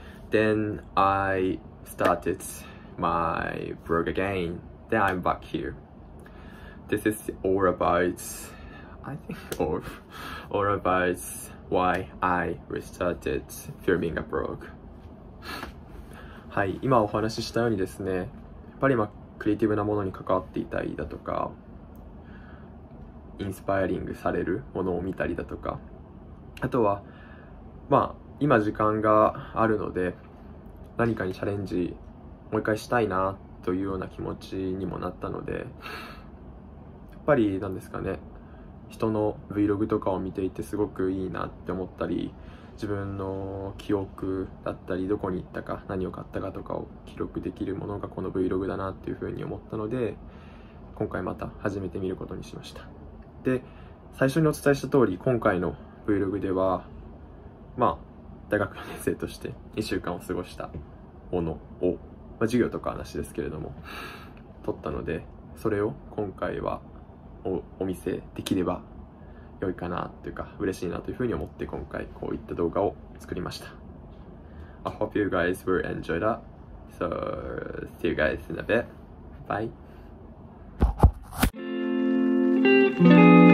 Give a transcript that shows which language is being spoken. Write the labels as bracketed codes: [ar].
[en] Then I started my vlog again. Then I'm back here. This is all about, I think, all about why I restarted filming a vlog. [ja] はい、今お話ししたようにですね、やっぱり今クリエイティブなものに関わっていたりだとか、インスパイアリングされるものを見たりだとか、あとはまあ今時間があるので何かにチャレンジもう一回したいなというような気持ちにもなったので、やっぱりなんですかね、人の Vlog とかを見ていてすごくいいなって思ったり、自分の記憶だったり、どこに行ったか、何を買ったかとかを記録できるものがこの Vlog だなっていうふうに思ったので、今回また始めてみることにしました。で、最初にお伝えした通り、今回の Vlog ではまあ大学4年生として1週間を過ごしたものを、まあ、授業とか話ですけれども撮ったので、それを今回は お見せできれば良いかなというか、嬉しいなというふうに思って今回こういった動画を作りました。 [en] I hope you guys will enjoy that. So, see you guys in a bit. Bye.